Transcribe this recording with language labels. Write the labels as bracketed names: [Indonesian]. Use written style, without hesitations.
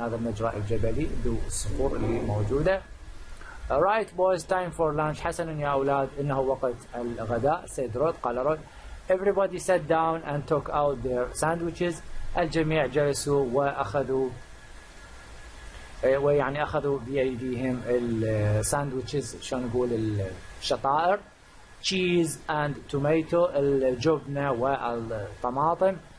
[Arabic] هذا المجرى الجبلي ذو الصخور اللي موجودة. [English] Right boys time for lunch. [Arabic] حسنا يا أولاد إنه وقت الغداء. [English] Said Rod. [Arabic] قال Rod. [English] Everybody sat down and took out their sandwiches. [Arabic] الجميع جلسوا وأخذوا ويعني أخذوا بأيديهم الساندويتشز، شو نقول الشطائر. [English] Cheese and tomato، [Arabic] الجبنة والطماطم.